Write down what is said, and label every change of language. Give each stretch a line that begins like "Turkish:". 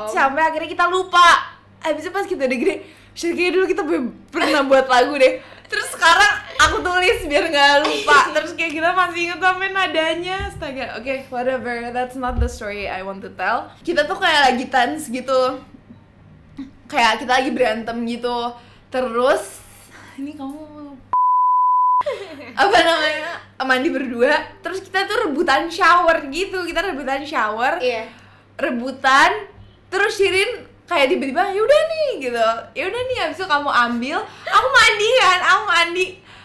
Indonesian: Sampai akhirnya kita lupa. Abis itu pas kita udah gede, share kayaknya dulu kita pernah buat lagu deh. Terus sekarang aku tulis biar gak lupa. Terus kayak kita masih inget sampe nadanya.
English: Astaga, okay, whatever, that's not the story I want to tell.
Indonesian: Kita tuh kayak lagi tense gitu. Kayak kita lagi berantem gitu. Terus ini kamu apa namanya, mandi berdua. Terus kita tuh rebutan shower gitu. Kita rebutan shower. Iya. Yeah. Rebutan. Terus Shirin kayak tiba-tiba, yaudah nih gitu, yaudah nih, abis itu kamu ambil, aku mandi.